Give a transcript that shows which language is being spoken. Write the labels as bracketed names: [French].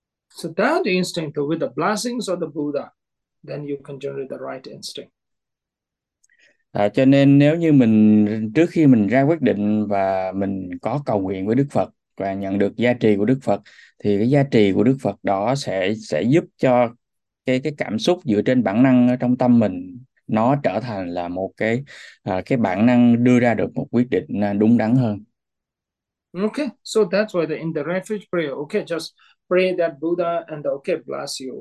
[English] So that instinct with the blessings of the Buddha, then you can generate the right instinct. [Vietnamese] Cho nên nếu như mình trước khi mình ra quyết định và mình có cầu nguyện với Đức Phật và nhận được gia trì của Đức Phật, thì cái gia trì của Đức Phật đó sẽ giúp cho cái cảm xúc dựa trên bản năng ở trong tâm mình nó trở thành là một cái bản năng đưa ra được một quyết định đúng đắn hơn. [English] Okay, so that's why the in the refuge prayer. Okay, just pray that Buddha and okay, bless you.